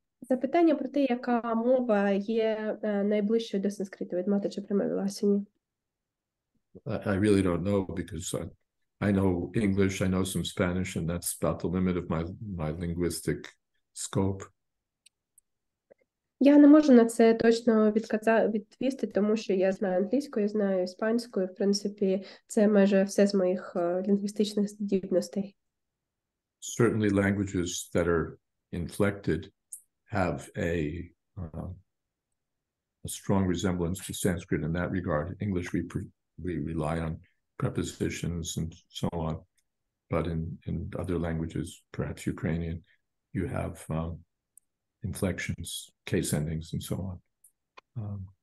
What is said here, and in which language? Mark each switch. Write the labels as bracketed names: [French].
[Ukrainian] Запитання про те, яка мова є найближчою до санскриту від Mataji Premadvasini. [English] I really don't know, because I know English, I know some Spanish, and that's about the limit of my linguistic scope. [Ukrainian] Я не можу на це точно відповісти, тому що я знаю англійську, я знаю іспанську, і, в принципі, це майже все з моїх лінгвістичних здібностей. [English] Certainly languages that are inflected have a strong resemblance to Sanskrit in that regard. English we rely on prepositions and so on, but in other languages, perhaps Ukrainian, you have inflections, case endings, and so on.